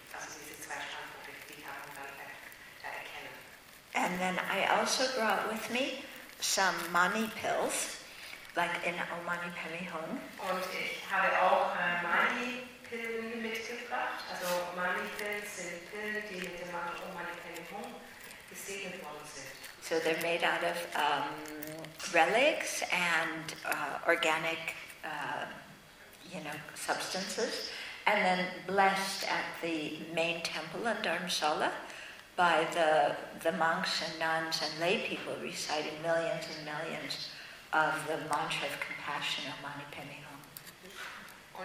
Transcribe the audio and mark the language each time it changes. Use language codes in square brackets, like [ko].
[de] Also diese zwei Standpunkte, die kann man dann da erkennen. [en] And then I also brought with me some money pills. Like in Omani Pemi Hung. [de] Und ich habe auch Mani Pillen mitgebracht. Also Mani Pillen sind Pillen, die mit dem Mantra Omani Pemi Hung gesegnet worden sind. [en] So they're made out of relics and organic, you know, substances, and then blessed at the main temple in Dharamsala by the monks and nuns and lay people reciting millions and millions of the mantra of compassion of Mani Padme Hum.